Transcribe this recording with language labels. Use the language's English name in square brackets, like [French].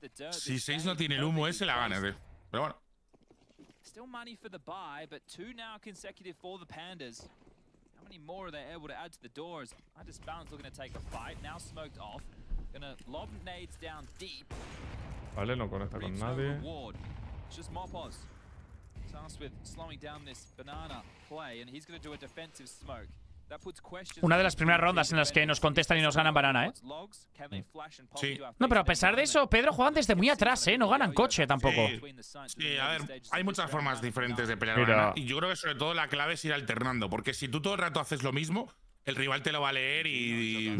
[Spanish] Si 6 no tiene el humo ese, la gana, tío. Pero bueno. [English] Still money for the buy, but two now consecutive for the Pandas. How many more are they able to add to the doors? I just bounce looking to take a fight. Now smoked off. Gonna lob nades down deep. [Spanish] Vale, no conecta con nadie. [English] It's just Mopos. Tasked with slowing down this banana play and he's gonna do a defensive smoke. [Spanish] Una de las primeras rondas en las que nos contestan y nos ganan banana, ¿eh? Sí. No, pero a pesar de eso, Pedro juega desde muy atrás, ¿eh? No ganan coche tampoco. Sí, sí, a ver, hay muchas formas diferentes de pelear banana. Y yo creo que sobre todo la clave es ir alternando. Porque si tú todo el rato haces lo mismo, el rival te lo va a leer y